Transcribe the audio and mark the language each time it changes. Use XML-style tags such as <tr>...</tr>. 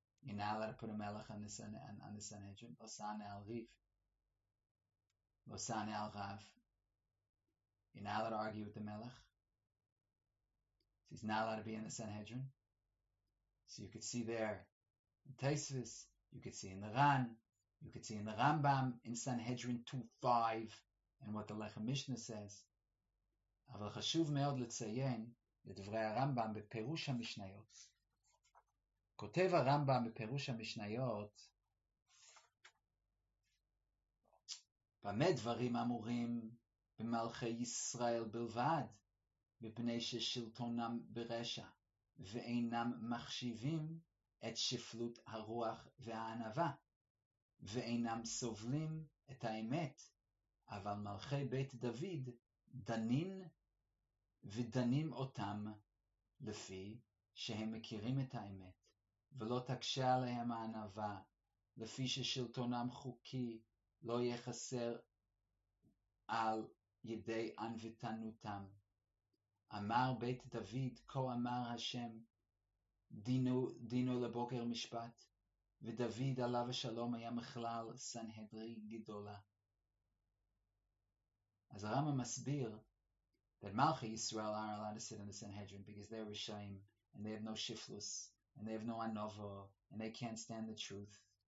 <en>You're not allowed to put a melech on the Sanhedrin. Losane al Riv. Losane al Rav. You're not allowed to argue with the melech. So he's not allowed to be in the Sanhedrin. So you could see there in Tesvis. You could see in the Ran. You could see in the Rambam in Sanhedrin 2:5. And what the Lechem Mishnah says,</en> <he>אבל חשוב מאוד לציין לדברי הרמב״ם בפירוש המשניות. כותב הרמב״ם בפירוש המשניות, במה דברים אמורים במלכי ישראל בלבד, בפני ששלטונם ברשע, ואינם מחשיבים את שפלות הרוח והענבה, ואינם סובלים את האמת, אבל מלכי בית דוד דנין ודנים אותם לפי שהם מכירים את האמת, ולא תקשה עליהם הענבה, לפי ששלטונם חוקי לא יחסר על ידי ענוותנותם. אמר בית דוד, כה אמר השם, דינו לבוקר משפט, ודוד עליו השלום היה מכלל סנהדרין גדולה.</he> <en>As the Rambam masbir, that Malchi Yisrael aren't allowed to sit in the Sanhedrin because they're Rishayim, and they have no Shiflus, and they have no Anovo, and they can't stand the truth.</en>